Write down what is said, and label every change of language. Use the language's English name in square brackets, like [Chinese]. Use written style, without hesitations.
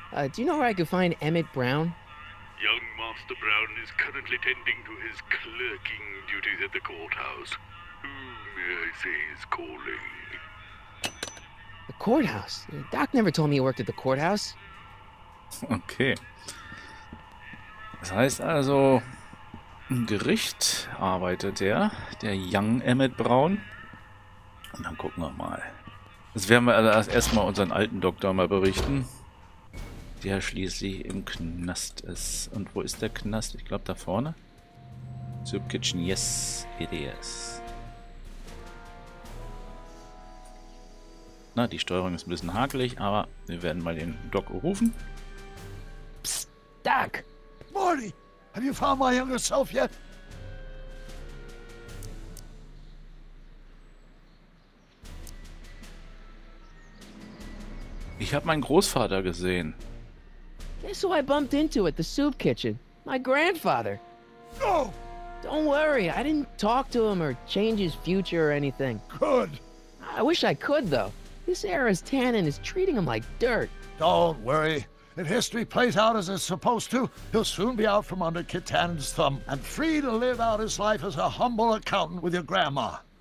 [English] Do you know where I could find Emmett Brown? Young Master Brown is currently tending to his clerking duties at the courthouse. Who may I say is calling? The courthouse? Doc never told me he worked at the courthouse. Okay. [German] Das heißt also, im Gericht arbeitet der Young Emmett Brown. Und dann gucken wir mal. Jetzt werden wir erstmal unseren alten Doktor mal berichten, der schließlich im Knast ist. Und wo ist der Knast? Ich glaube da vorne. [English] Soup Kitchen, yes, it is. [German] Na, die Steuerung ist ein bisschen hakelig, aber wir werden mal den Doc rufen. Psst, Doc! [English] Morty, have you found my younger self yet? [German] Ich habe meinen Großvater gesehen. [English] Guess who I bumped into at the soup kitchen? My grandfather. No! Don't worry, I didn't talk to him or change his future or anything. Good. I wish I could, though. This era's Tannen is treating him like dirt. Don't worry. If history plays out as it's supposed to, he'll soon be out from under Kit Tannen's thumb and free to live out his life as a humble accountant with your grandma.